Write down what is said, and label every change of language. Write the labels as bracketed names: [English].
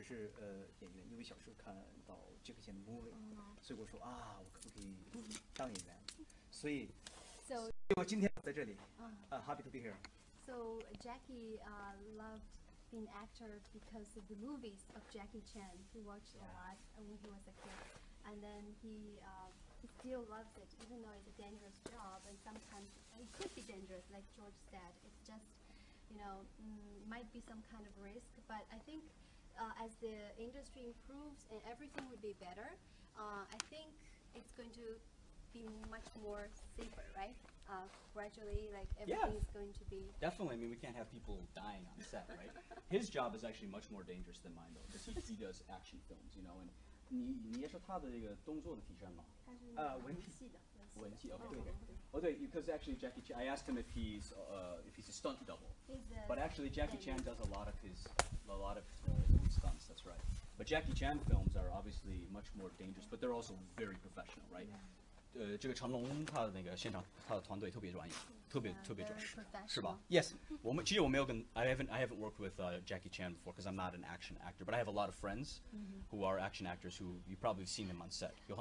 [Chinese] 为什么呢？为什么这么喜欢当演员？因为喜欢电影，喜欢军人，所以我第一个梦想是军人，没想到我去了，是中国军人。第二个梦想是演员，因为小时候看到杰克逊的 movie， 所以我今天在这里， [English] happy to be here. So Jackie loved being an actor because of the movies of Jackie Chan. He watched a lot when he was a kid. And then he still loves it, even though it's a dangerous job, and sometimes it could be dangerous, like George said. It's just, you know, might be some kind of risk. But I think as the industry improves and everything would be better, I think it's going to be much more safer, right? Gradually, like everything is going to be. Definitely. I mean, we can't have people dying on set, right? His job is actually much more dangerous than mine, though, because he does action films, you know. And because actually Jackie Chan, I asked him if he's a stunt double, but actually Jackie Chan does a lot of his stunts. That's right. But Jackie Chan films are obviously much more dangerous, but they're also very professional, right? Yeah. [Chinese] 这个成龙他的那个现场，他的团队特别专业，特别专业，是吧？ [English] Yes， [Chinese] 我们其实我没有跟， [English] I haven't worked with Jackie Chan before because I'm not an action actor, but I have a lot of friends who are action actors who you probably seen them on set.